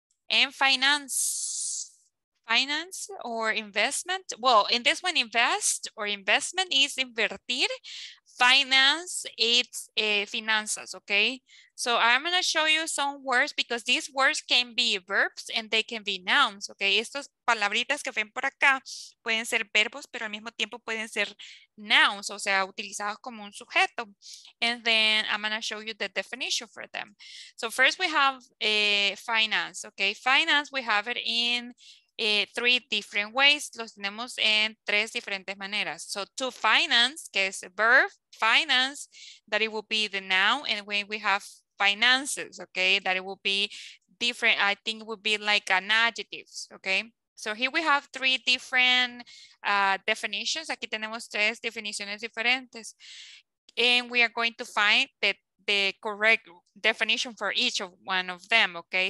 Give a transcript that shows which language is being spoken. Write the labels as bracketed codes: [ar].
[en] And finance. Finance or investment? Well, in this one, invest or investment is invertir. Finance, it's finanzas, okay? So I'm going to show you some words because these words can be verbs and they can be nouns, okay? [es] Estas palabritas que ven por acá pueden ser verbos, pero al mismo tiempo pueden ser nouns, o sea, utilizados como un sujeto. [en] And then I'm going to show you the definition for them. So first we have finance, okay? Finance, we have it in... three different ways, [es] los tenemos en tres diferentes maneras. [en] So to finance, que es a verb, finance, that it will be the noun, and when we have finances, okay, that it will be different, I think it would be like an adjective, okay. So here we have three different definitions, [es] aquí tenemos tres definiciones diferentes, [en] and we are going to find the correct definition for each of one of them, okay.